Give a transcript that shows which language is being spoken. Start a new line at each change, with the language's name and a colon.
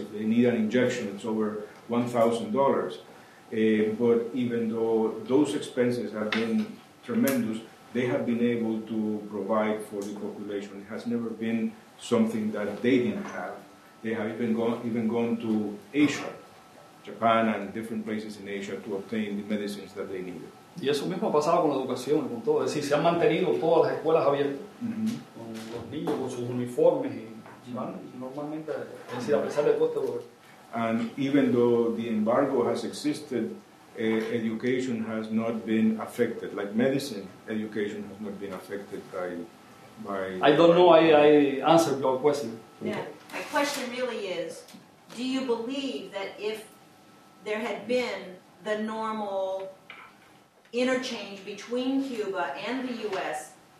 English: If they need an injection, it's over $1,000. But even though those expenses have been tremendous, they have been able to provide for the population. It has never been something that they didn't have. They have even gone to Asia, Japan and different places in Asia to obtain the medicines that they needed.
Spanish: Y eso mismo ha pasado con la educación, con todo. Es decir, se han mantenido todas las escuelas abiertas, con los niños, con sus uniformes, normalmente, es decir, a pesar de todo este dolor.
English: And even though the embargo has existed, education has not been affected. Like medicine, education has not been affected by... I don't know, I answered your question. Yeah, my question really is, do you believe that if there had been the normal interchange between Cuba and the U.S.